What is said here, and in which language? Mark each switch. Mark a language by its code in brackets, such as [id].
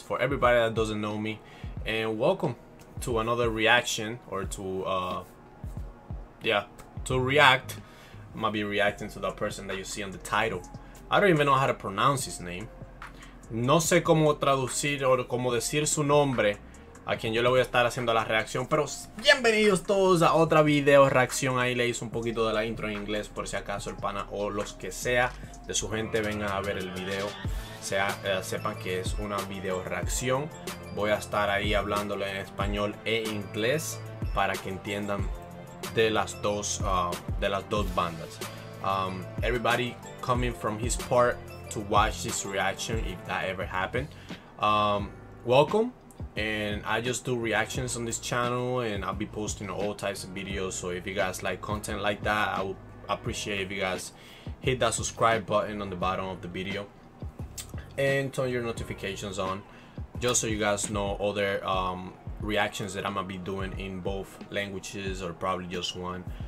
[en] For everybody that doesn't know me, and welcome to another reaction to react. I might be reacting to that person that you see on the title. I don't even know how to pronounce his name. [es] No sé cómo traducir o cómo decir su nombre. A quien yo le voy a estar haciendo la reacción, pero bienvenidos todos a otra video reacción. Ahí le hice un poquito de la intro en inglés por si acaso el pana o los que sea de su gente vengan a ver el video, sepan que es una video reacción. Voy a estar ahí hablándole en español e inglés para que entiendan de las dos bandas. [en] Everybody coming from his part to watch this reaction, if that ever happened. Welcome. And I just do reactions on this channel, and I'll be posting all types of videos. So if you guys like content like that, I would appreciate if you guys hit that subscribe button on the bottom of the video and turn your notifications on, just so you guys know other reactions that I'm gonna be doing in both languages or probably just one.